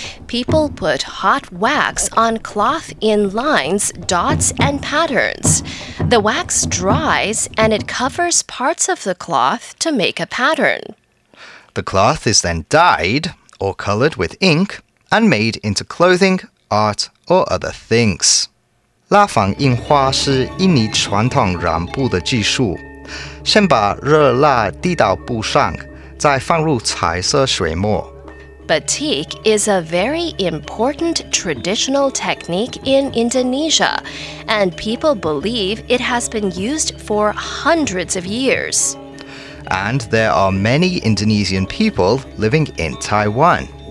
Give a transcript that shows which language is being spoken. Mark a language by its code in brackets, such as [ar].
[en] People put hot wax on cloth in lines, dots, and patterns. The wax dries and it covers parts of the cloth to make a pattern. The cloth is then dyed or colored with ink and made into clothing, art, or other things. [zh] 蜡房印花是印尼传统染布的技术。先把热蜡滴到布上，再放入彩色水墨。 [en] Batik is a very important traditional technique in Indonesia, and people believe it has been used for hundreds of years. And there are many Indonesian people living in Taiwan.